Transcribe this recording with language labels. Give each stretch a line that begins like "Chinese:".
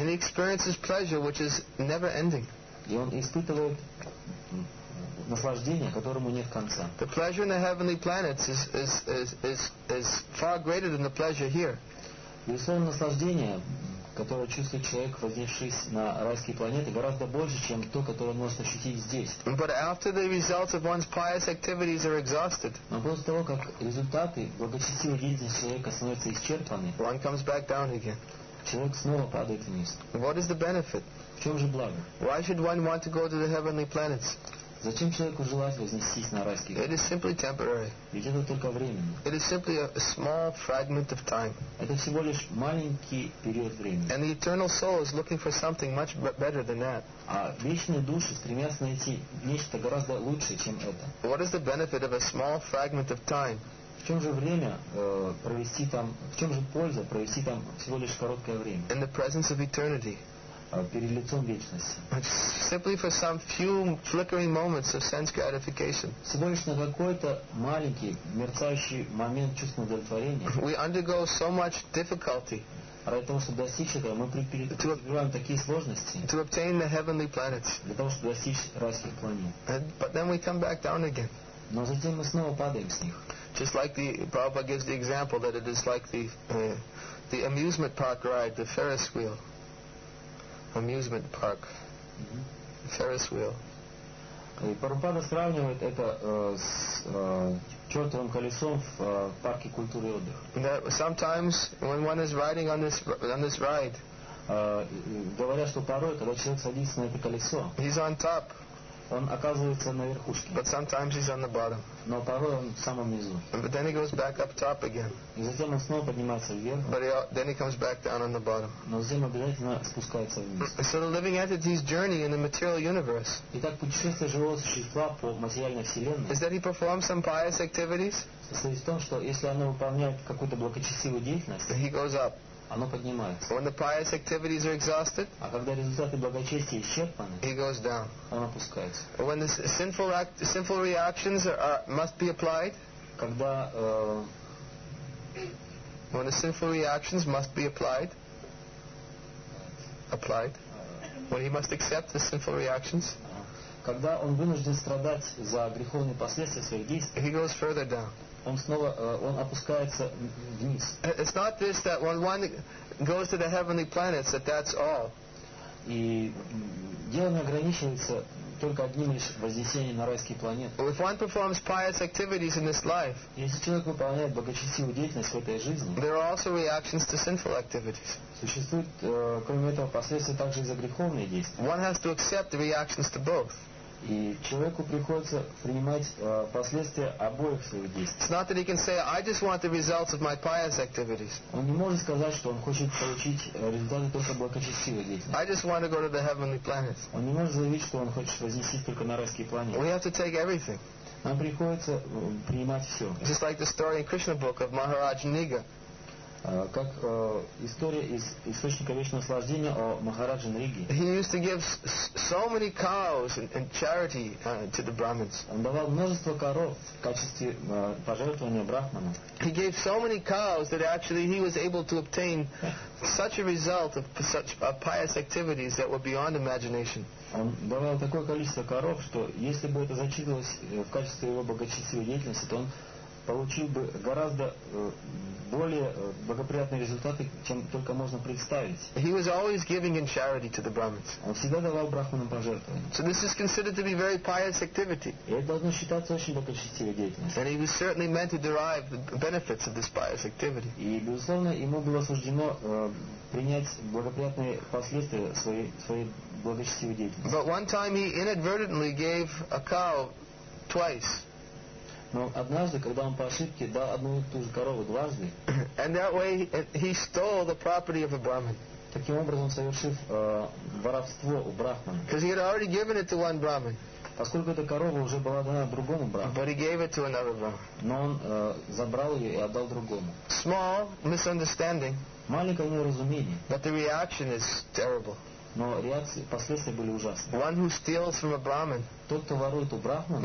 English: And he experiences pleasure, which is never ending.
Russian: И он испытывает наслаждение, которому нет конца.
English: The pleasure in the heavenly planets is far greater than the pleasure here.
Russian: Безусловно, наслаждение, которое чувствует человек, вознесшись на райские планеты, гораздо больше, чем то, которое он может ощутить здесь.
English: But after the results of one's pious activities are exhausted,
Russian: но после того, как результаты благочестивой деятельности человека становятся исчерпаны,
English: one comes back down again.
Russian: Человек снова падает вниз.
English: What is the benefit?
Russian: В чем же благо?
English: Why should one want to go to the heavenly planets?
Russian: Зачем человеку желать вознестись на райские планеты?
English: It is simply temporary.
Russian: Ведь это только временно.
English: It is simply a small fragment of time.
Russian: Это всего лишь маленький период времени.
English: And the eternal soul is looking for something much better than that.
Russian: А вечные души стремятся найти нечто гораздо лучшее, чем это.
English: What is the benefit of a small fragment of time?
Russian: В чем же время провести там? В чем же польза провести там всего лишь короткое время?
English: In the presence of eternity.
Russian: Перед лицом вечности.
English: Simply for some few flickering moments of sense gratification.
Russian: Всего лишь на какой-то маленький мерцающий момент чувства удовлетворения.
English: We undergo so much difficulty.
Russian: Ради того, чтобы достичь этого, мы преодолеваем такие сложности.
English: To obtain the heavenly planets.
Russian: Для того, чтобы достичь райских планет.
English: But then we come back down again.
Russian: Но затем мы снова падаем с них.
English: Just like the Prabhupada gives the example that it is like the amusement park ride, the Ferris wheel. Amusement park, Ferris wheel.
Russian: И Прабхупада сравнивает это с чертовым колесом в парке культуры и отдыха.
English: Sometimes when one is riding on this ride,
Russian: говорят, что порой, когда человек садится на это колесо,
English: he's on top.
Russian: Он оказывается на верхушке.
English: But sometimes he's on the bottom.
Russian: Но порой он в самом низу.
English: But then he goes back up top again.
Russian: И затем он снова поднимается вверх.
English: But then he comes back down on the bottom.
Russian: Но затем обязательно спускается вниз.
English: So the living entity's journey in the material universe.
Russian: Итак, путешествие живого существа по материальной вселенной.
English: Is that he performs some pious activities?
Russian: Состоит в том, что если оно выполняет какую-то благочестивую деятельность,
English: he goes up.
Russian: Оно поднимается.
English: When the pious activities are exhausted,
Russian: а когда результаты благочестия исчерпаны,
English: he goes down.
Russian: Оно опускается.
English: When the sinful reactions must be applied,
Russian: когда
English: when the sinful reactions must be applied, when he must accept the sinful reactions,
Russian: когда он вынужден страдать за греховные последствия своих действий,
English: he goes further down.
Russian: Он снова, он опускается вниз.
English: It's not this that when one goes to the heavenly planets that that's all.
Russian: И дело не ограничивается только одним лишь вознесением на райские планеты.
English: If one performs pious activities in this life,
Russian: если человек выполняет благочестивую деятельность в этой жизни,
English: there are also reactions to sinful activities.
Russian: Существует, кроме этого, последствия также и за греховные действия.
English: One has to accept the reactions to both.
Russian: И человеку приходится принимать последствия обоих своих действий.
English: It's not that he can say, I just want the results of my pious activities.
Russian: Он не может сказать, что он хочет получить результаты только благочестивой деятельности.
English: I just want to go to the heavenly planets.
Russian: Он не может заявить, что он хочет вознестись только на райские планеты.
English: We have to take everything.
Russian: Нам приходится принимать все.
English: Just like the story in Krishna book of Maharaj Niga.
Russian: Как история из источника вечного наслаждения о Махарадже Нриге.
English: He used to give so many cows and charity to the Brahmins.
Russian: Он давал множество коров в качестве пожертвования брахманам.
English: He gave so many cows that actually he was able to obtain such a result of such pious activities that were beyond imagination.
Russian: Он давал такое количество коров, что если бы это зачитывалось в качестве его благочестивой деятельности, то он получил бы гораздо более благоприятные результаты, чем только можно представить.
English: He was always giving in charity to the Brahmins.
Russian: Он всегда давал брахманам пожертвования.
English: So this is considered to be very pious activity.
Russian: И это должно считаться очень благочестивой деятельностью.
English: And he was certainly meant to derive the benefits of this pious activity.
Russian: И, безусловно, ему было суждено принять благоприятные последствия своей благочестивой деятельности.
English: But one time he inadvertently gave a cow twice.
Russian: Но однажды, когда он по ошибке дал одну и ту же корову дважды,
English: and that way he stole the property of a Brahmin.
Russian: Таким образом, совершив воровство у брахмана.
English: Because he had already given it to one Brahmin.
Russian: Поскольку эта корова уже была дана другому брахману.
English: But he gave it to another Brahmin.
Russian: Но он забрал ее и отдал другому.
English: Small misunderstanding.
Russian: Маленькое неразумение.
English: But the reaction is terrible.
Russian: Но реакции, последствия были ужасны.
English: One who steals from a Brahmin,
Russian: тот, кто ворует у брахмана,